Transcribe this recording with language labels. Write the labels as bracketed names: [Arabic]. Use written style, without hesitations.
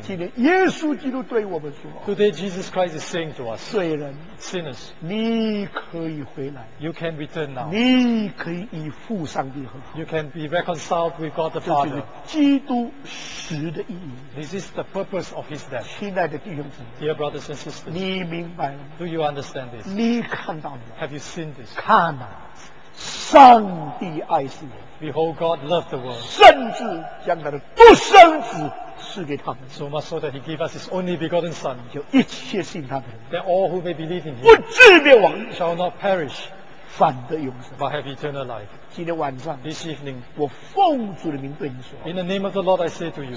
[Chinese] 今天耶稣基督对我们说, [English] today Jesus Christ is saying to us, [Chinese] 罪人, [English] sinners, [Chinese] 你可以回来, [English] you can return now. [Chinese] 你可以与父上帝和好, [English] you can be reconciled with God the Father. [Chinese] 这就是基督死的意义, [English] this is the purpose of his death. [Chinese] 亲爱的, [English] dear brothers and sisters, [Chinese] 你明白了, [English] do you understand this? [Chinese] 你看到了, [English] have you seen this? [Chinese] 看啊, 上帝爱世人, [English] behold God loved the world, [Chinese] 甚至将他的独生子赐给他们, [English] so much so that he gave us his only begotten son, [Chinese] 就一切信他的人, [English] that all who may believe in him, [Chinese] 不至灭亡, [English] shall not perish, [Chinese] 反得永生, [English] but have eternal life. [Chinese] 今天晚上, [English] this evening, [Chinese] 我奉主的名对你说, [English] in the name of the Lord I say to you,